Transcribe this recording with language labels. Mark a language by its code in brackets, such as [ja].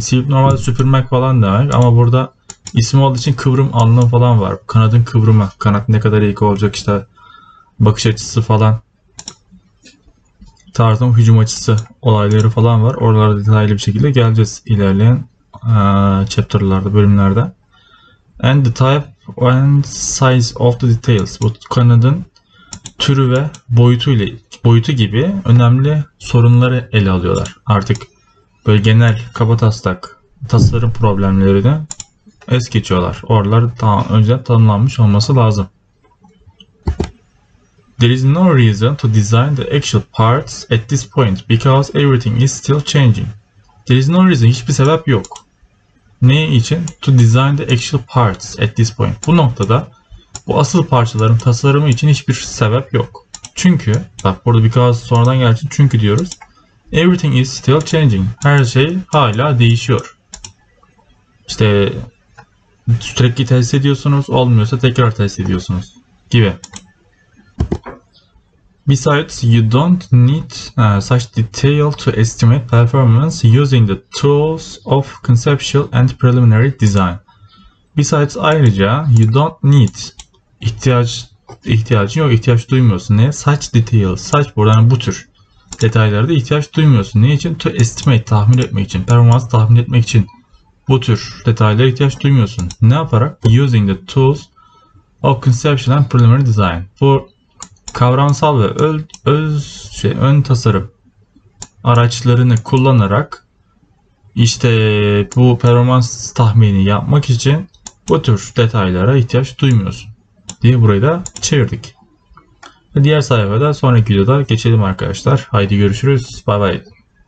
[tr] Sweep normalde süpürmek falan demek ama burada isim olduğu için kıvrım anlamı falan var. Kanadın kıvrımı, kanat ne kadar eğik olacak işte bakış açısı falan. Tarzım hücum açısı olayları falan var. Oralarda detaylı bir şekilde geleceğiz ilerleyen chapter'larda, bölümlerde. [en] And the type and size of the details. [tr] Bu kanadın türü ve boyutu gibi önemli sorunları ele alıyorlar. Artık böyle genel kabataslak tasarım problemlerini es geçiyorlar. Oralar daha önceden tanımlanmış olması lazım. [en] Is no reason to design the actual parts at this point because everything is still changing. There is no reason. [tr] Hiçbir sebep yok. Ne için? [en] To design the actual parts at this point. [tr] Bu noktada bu asıl parçaların tasarımı için hiçbir sebep yok. Çünkü, bak burada biraz sonradan gelsin. Çünkü diyoruz. [en] Everything is still changing. [tr] Her şey hala değişiyor. İşte sürekli test ediyorsunuz. Olmuyorsa tekrar test ediyorsunuz. Gibi. [en] Besides, you don't need such detail to estimate performance using the tools of conceptual and preliminary design. Besides, ayrıca you don't need ihtiyaç [tr] ihtiyacın yok, ihtiyaç duymuyorsun. Ne? Saç detail, saç burada yani bu tür detaylarda ihtiyaç duymuyorsun. Ne için? Estimate, tahmin etmek için. Performans tahmin etmek için. Bu tür detaylara ihtiyaç duymuyorsun. Ne yaparak? [en] Using the tools of conception and preliminary design. [tr] Bu kavramsal ve ön tasarım araçlarını kullanarak işte bu performans tahmini yapmak için bu tür detaylara ihtiyaç duymuyorsun diye burayı da çevirdik. Diğer sayfada sonraki videoda geçelim arkadaşlar. Haydi görüşürüz. Bay bay.